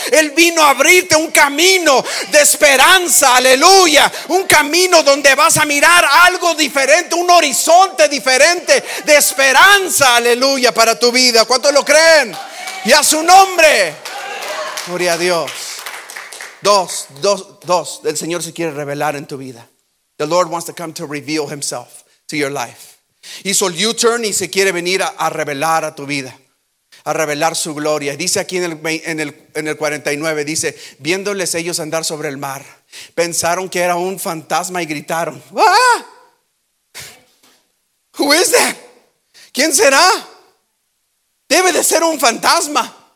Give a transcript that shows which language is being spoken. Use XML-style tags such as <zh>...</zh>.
<es>Él vino a abrirte un camino de esperanza, aleluya, un camino donde vas a mirar algo diferente, un horizonte diferente de esperanza, aleluya, para tu vida. ¿Cuántos lo creen? Y a su nombre, gloria a Dios. Dos. El Señor se quiere revelar en tu vida.</es> <en>The Lord wants to come to reveal himself to your life.</en> <es>Hizo el U-turn y se quiere venir a revelar a tu vida, a revelar su gloria. Dice aquí en el 49, dice: viéndoles ellos andar sobre el mar, pensaron que era un fantasma y gritaron: ¡ah!</es> <en>Who is that?</en> <es>¿Quién será? Debe de ser un fantasma.</es>